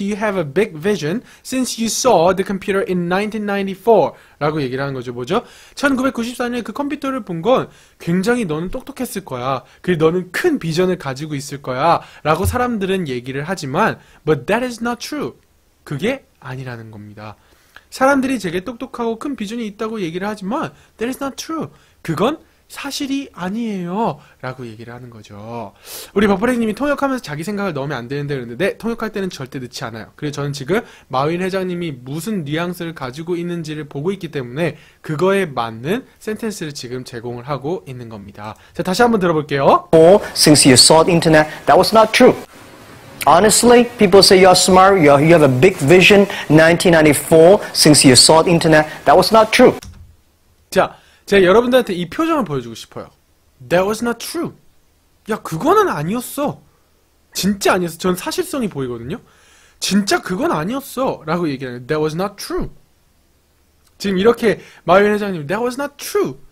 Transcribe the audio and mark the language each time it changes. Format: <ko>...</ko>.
<en>You have a big vision since you saw the computer in 1994</en> <ko>라고 얘기를 하는 거죠. 뭐죠? 1994년에 그 컴퓨터를 본건 굉장히 너는 똑똑했을 거야. 그리고 너는 큰 비전을 가지고 있을 거야라고 사람들은 얘기를 하지만</ko> <en>but that is not true.</en> <ko>그게 아니라는 겁니다. 사람들이 되게 똑똑하고 큰 비전이 있다고 얘기를 하지만</ko> <en>that is not true.</en> <ko>그건 사실이 아니에요. 라고 얘기를 하는 거죠. 우리 버퍼링님이 통역하면서 자기 생각을 넣으면 안 되는데 그러는데 네, 통역할 때는 절대 넣지 않아요. 그리고 저는 지금 마윈 회장님이 무슨 뉘앙스를 가지고 있는지를 보고 있기 때문에 그거에 맞는 센텐스를 지금 제공을 하고 있는 겁니다. 자, 다시 한번 들어볼게요.</ko> <en>Since you saw the internet, that was not true. Honestly, people say you're smart, you have a big vision. 1994, since you saw the internet, that was not true.</en> <ko>자, 제가 여러분들한테 이 표정을 보여주고 싶어요.</ko> <en>That was not true.</en> <ko>야, 그거는 아니었어. 진짜 아니었어. 전 사실성이 보이거든요. 진짜 그건 아니었어. 라고 얘기하는</ko> <en>That was not true.</en> <ko>지금 이렇게 마윈 회장님, That was not true.</ko>